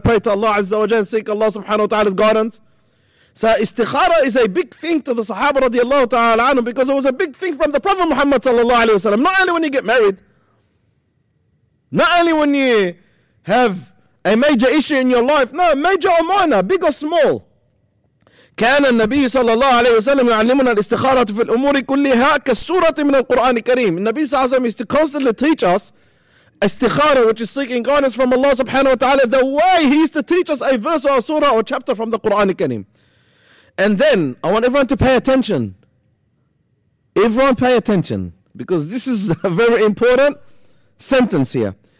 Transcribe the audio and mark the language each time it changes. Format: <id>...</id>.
<en>Pray to Allah azza wa jalla and seek Allah subhanahu wa ta'ala's guidance. So istikhara is a big thing to the Sahaba radiallahu ta'ala anhum, because it was a big thing from the Prophet Muhammad sallallahu alayhi wa sallam. Not only when you get married, not only when you have a major issue in your life, no, major or minor, big or small.</en> <ar>كان النبي صلى الله عليه وسلم يعلمنا الاستخارة في الأمور كلها كالسورة من القرآن الكريم. النبي صلى الله عليه وسلم</ar> <en>is to constantly teach us استخارة, which is seeking guidance from Allah subhanahu wa ta'ala, the way he used to teach us a verse or a surah or chapter from the Quran al-Kareem. And then, I want everyone to pay attention. Everyone pay attention, because this is a very important sentence here.</en>